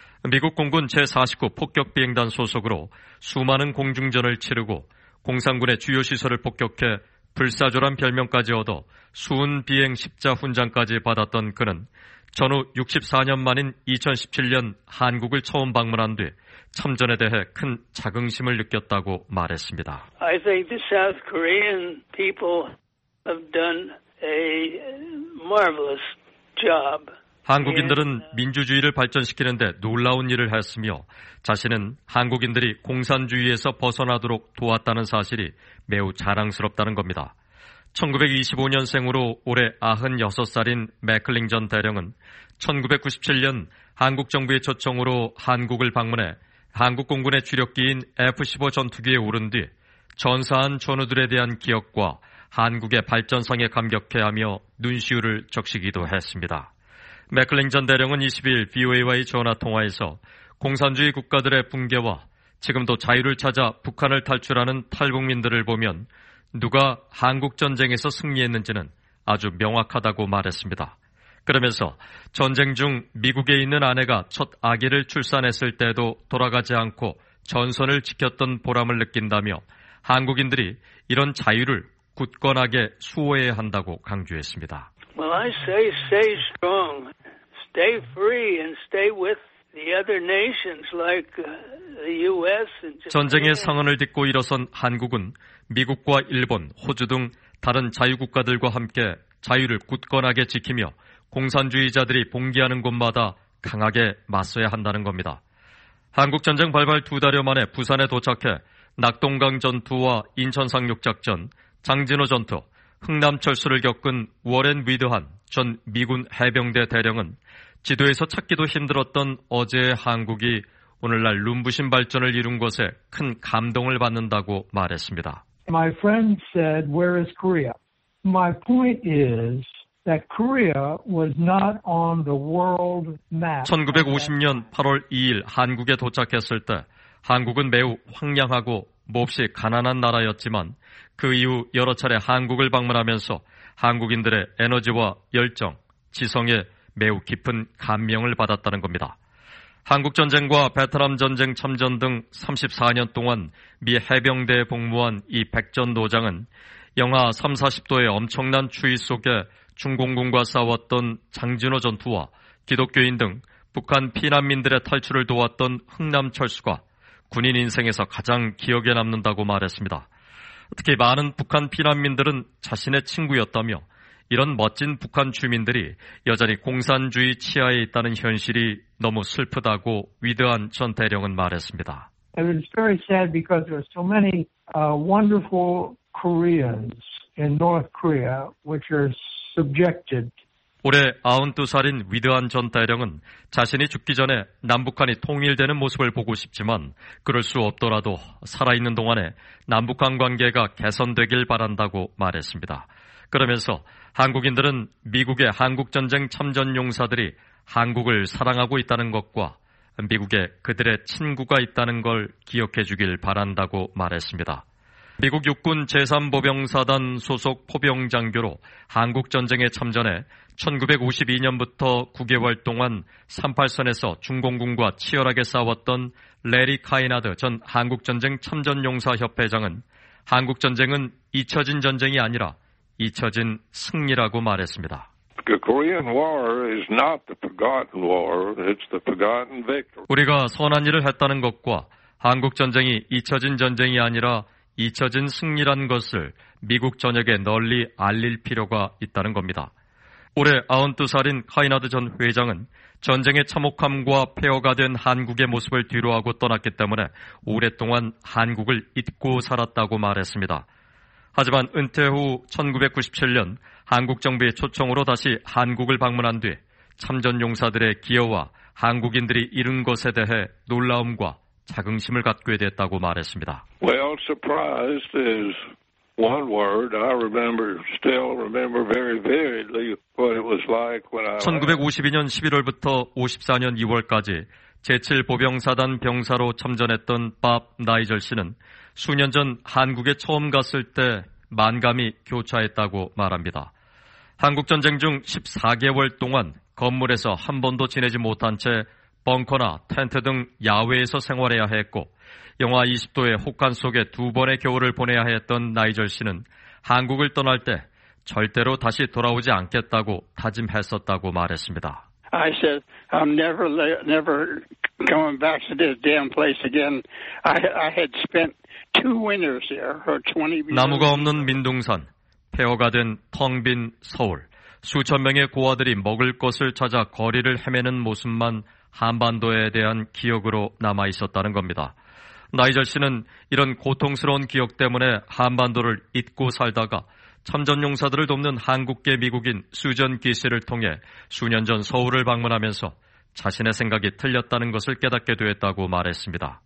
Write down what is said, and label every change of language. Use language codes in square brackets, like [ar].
[ko] 미국 공군 제49 폭격비행단 소속으로 수많은 공중전을 치르고 공산군의 주요 시설을 폭격해 불사조란 별명까지 얻어 수은 비행 십자 훈장까지 받았던 그는 전후 64년 만인 2017년 한국을 처음 방문한 뒤 참전에 대해 큰 자긍심을 느꼈다고 말했습니다. [en] I think the South Korean people have done a marvelous job. [ko] 한국인들은 민주주의를 발전시키는 데 놀라운 일을 했으며 자신은 한국인들이 공산주의에서 벗어나도록 도왔다는 사실이 매우 자랑스럽다는 겁니다. 1925년생으로 올해 96살인 맥클링 전 대령은 1997년 한국 정부의 초청으로 한국을 방문해 한국 공군의 주력기인 F-15 전투기에 오른 뒤 전사한 전우들에 대한 기억과 한국의 발전상에 감격해하며 눈시울을 적시기도 했습니다. 맥클링 전 대령은 22일 VOA와의 전화통화에서 공산주의 국가들의 붕괴와 지금도 자유를 찾아 북한을 탈출하는 탈북민들을 보면 누가 한국전쟁에서 승리했는지는 아주 명확하다고 말했습니다. 그러면서 전쟁 중 미국에 있는 아내가 첫 아기를 출산했을 때도 돌아가지 않고 전선을 지켰던 보람을 느낀다며 한국인들이 이런 자유를 굳건하게 수호해야 한다고 강조했습니다. [en] Well, I say stay strong. Stay free and stay with the other nations like the US and Japan. [ko] 전쟁의 상흔을 딛고 일어선 한국은 미국과 일본, 호주 등 다른 자유국가들과 함께 자유를 굳건하게 지키며 공산주의자들이 봉기하는 곳마다 강하게 맞서야 한다는 겁니다. 한국전쟁 발발 두 달여 만에 부산에 도착해 낙동강 전투와 인천상륙작전, 장진호 전투, 흥남철수를 겪은 워렌 위드한 전 미군 해병대 대령은 지도에서 찾기도 힘들었던 어제의 한국이 오늘날 눈부신 발전을 이룬 것에 큰 감동을 받는다고 말했습니다. [en] My friend said, "Where is Korea?" My point is that Korea was not on the world map. [ko] 1950년 8월 2일 한국에 도착했을 때 한국은 매우 황량하고 몹시 가난한 나라였지만 그 이후 여러 차례 한국을 방문하면서 한국인들의 에너지와 열정, 지성에 매우 깊은 감명을 받았다는 겁니다. 한국전쟁과 베트남 전쟁 참전 등 34년 동안 미 해병대에 복무한 이 백전 노장은 영하 30-40도의 엄청난 추위 속에 중공군과 싸웠던 장진호 전투와 기독교인 등 북한 피난민들의 탈출을 도왔던 흥남철수가 군인 인생에서 가장 기억에 남는다고 말했습니다. 특히 많은 북한 피난민들은 자신의 친구였다며 이런 멋진 북한 주민들이 여전히 공산주의 치하에 있다는 현실이 너무 슬프다고 위드한 전 대령은 말했습니다. [en] It was very sad because there are so many wonderful Koreans in North Korea which are subjected. [ko] 올해 92살인 위드한 전 대령은 자신이 죽기 전에 남북한이 통일되는 모습을 보고 싶지만 그럴 수 없더라도 살아있는 동안에 남북한 관계가 개선되길 바란다고 말했습니다. 그러면서 한국인들은 미국의 한국전쟁 참전 용사들이 한국을 사랑하고 있다는 것과 미국에 그들의 친구가 있다는 걸 기억해 주길 바란다고 말했습니다. 미국 육군 제3보병사단 소속 포병장교로 한국전쟁에 참전해 1952년부터 9개월 동안 38선에서 중공군과 치열하게 싸웠던 레리 카이나드 전 한국전쟁 참전용사협회장은 한국전쟁은 잊혀진 전쟁이 아니라 잊혀진 승리라고 말했습니다. [en] The Korean War is not the forgotten war, it's the forgotten victory. [ko] 우리가 선한 일을 했다는 것과 한국전쟁이 잊혀진 전쟁이 아니라 잊혀진 승리란 것을 미국 전역에 널리 알릴 필요가 있다는 겁니다. 올해 92살인 카이나드 전 회장은 전쟁의 참혹함과 폐허가 된 한국의 모습을 뒤로하고 떠났기 때문에 오랫동안 한국을 잊고 살았다고 말했습니다. 하지만 은퇴 후 1997년 한국 정부의 초청으로 다시 한국을 방문한 뒤 참전용사들의 기여와 한국인들이 이룬 것에 대해 놀라움과 자긍심을 갖게 됐다고 말했습니다. [en] Well, surprised is one word. I remember, still remember very vividly what it was like when I. [ko] 1952년 11월부터 54년 2월까지 제7보병사단 병사로 참전했던 밥 나이절 씨는 수년 전 한국에 처음 갔을 때 만감이 교차했다고 말합니다. 한국전쟁 중 14개월 동안 건물에서 한 번도 지내지 못한 채 벙커나 텐트 등 야외에서 생활해야 했고 영하 20도의 혹한 속에 두 번의 겨울을 보내야 했던 나이절 씨는 한국을 떠날 때 절대로 다시 돌아오지 않겠다고 다짐했었다고 말했습니다. [en] I said I'm never coming back to this damn place again. I had spent two winters here. [ko] 나무가 없는 민둥산, 폐허가 된 텅 빈 서울, 수천 명의 고아들이 먹을 것을 찾아 거리를 헤매는 모습만 한반도에 대한 기억으로 남아있었다는 겁니다. 나이절 씨는 이런 고통스러운 기억 때문에 한반도를 잊고 살다가 참전용사들을 돕는 한국계 미국인 수전 기씨를 통해 수년 전 서울을 방문하면서 자신의 생각이 틀렸다는 것을 깨닫게 되었다고 말했습니다.